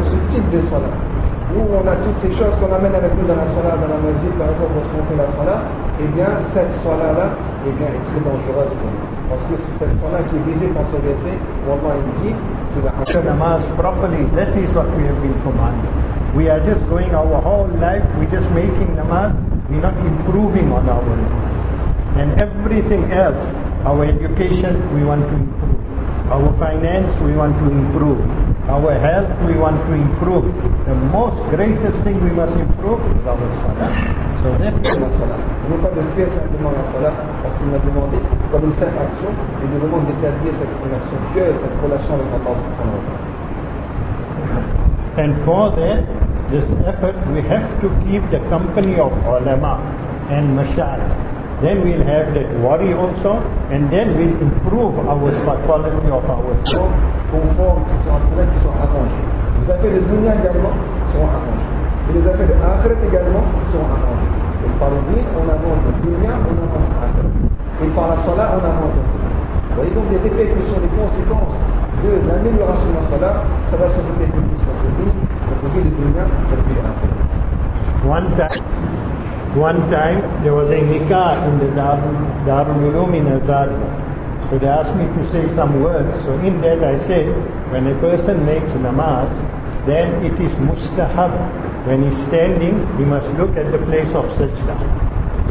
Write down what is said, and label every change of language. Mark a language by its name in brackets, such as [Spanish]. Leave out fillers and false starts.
[French] où on a toutes ces choses qu'on amène avec nous dans la salat, dans la mosquée, par exemple, pour se monter la salat, eh bien, cette salat-là, eh bien, est très dangereuse pour nous. Parce que c'est cette salat qui est visée par ce verset, Wallah, il dit, c'est la hachad. [English] Namaz properly, that is what we have been commanded. We are just going our whole life, we're just making namaz, We're not improving on our own. And everything else, our education, we want to improve. Our finance, we want to improve. Our health, we want to improve. The most greatest thing we must improve is our salah. So that's our salah. [French] Nous ne pouvons pas faire simplement la salah parce qu'il nous a demandé comme une simple action et nous devons détailler cette connexion que cette relation avec Allah subhanahu wa [English] ta'ala. And for that, this effort, we have to keep the company of ulama and mashayikh. Then we'll have that worry also, and then we'll improve our quality of our soul. [French] Conform qui sont en train qui sont arrangés. Les affaires de dunya également sont arrangés. Et les affaires de akhirat également sont arrangés. Et par le dîn, on avance le dunya, on avance l'akhirat. Et par la salah, on avance le dunya. Voyez donc les effets qui sont les conséquences de l'amélioration de la salah, ça va se faire plus sur le dîn, le côté de dunya, ça va être l'akhirat. [English] One time, there was a nikah in the Darul Uloom in Azad. So they asked me to say some words. So in that I said, when a person makes namaz, then it is mustahab. When he's standing, he must look at the place of sajda.